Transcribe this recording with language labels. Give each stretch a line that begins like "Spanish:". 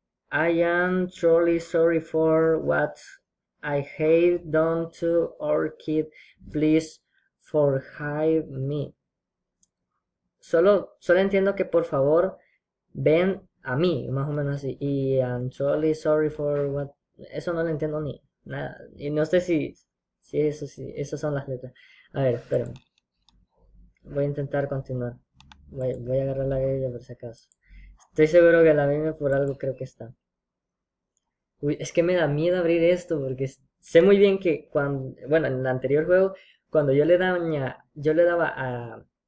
English: I am truly sorry for what I have done to our kid. Please forgive me.
Spanish: Solo entiendo que por favor ven a mí, más o menos así.
English: Y I am truly sorry for what.
Spanish: Eso no lo entiendo ni nada. Y no sé si eso sí, esas son las letras. A ver, espérame. Voy a intentar continuar. Voy a agarrar la Biblia por si acaso. Estoy seguro que la Biblia por algo creo que está. Uy, es que me da miedo abrir esto porque sé muy bien que cuando. Bueno, en el anterior juego, cuando yo le daba a